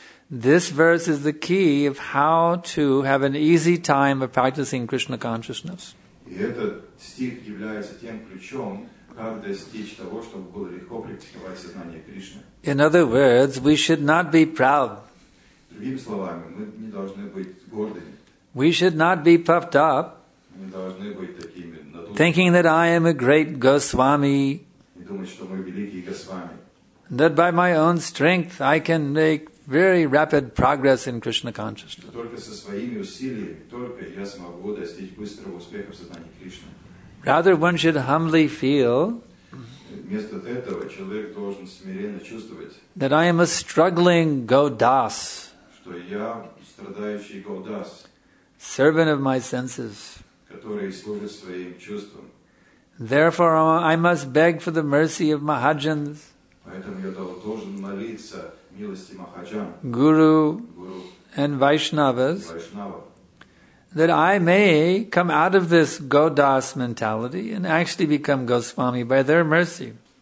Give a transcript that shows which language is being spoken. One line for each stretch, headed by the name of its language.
English: This verse is the key of how to have an easy time of practicing Krishna consciousness.
Russian: И этот стих является тем ключом, как достичь того, чтобы было легко практиковать сознание Кришны.
English: In other words, we should not be proud.
Russian: Другими словами, мы не должны быть гордыми.
English: We should not be puffed up.
Russian: Мы должны быть такими.
English: Thinking that I am a great Goswami.
Russian: И думать, что мы великие Госвами.
English: That by my own strength I can make very rapid progress in Krishna consciousness.
Russian: Только со своими усилиями, только я смогу достичь быстрого успеха в сознании Кришны.
English: Rather, one should humbly feel.
Russian: Вместо этого человек должен смиренно чувствовать.
English: That I am a struggling Godas.
Russian: Что я страдающий Godas.
English: Servant of my senses.
Russian: Который служит своим чувствам.
English: Therefore, I must beg for the mercy of Mahajans.
Russian: Поэтому я должен молиться.
English: Guru and Vaishnavas, that I may come out of this Godas mentality and actually become Goswami by their mercy.